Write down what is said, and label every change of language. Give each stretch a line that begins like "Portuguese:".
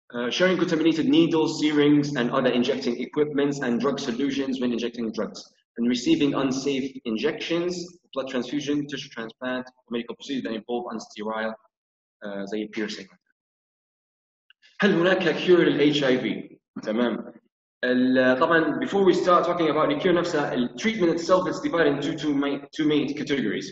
English: Sharing contaminated needles, syringes, and other injecting equipments and drug solutions when injecting drugs, and receiving unsafe injections, blood transfusion, tissue transplant, medical procedures that involve unsterile, زي piercing.
Arabic: هل هناك cure للHIV؟ تمام.
English: طبعاً before we start talking about the cure نفسها, the treatment itself is divided into two main categories.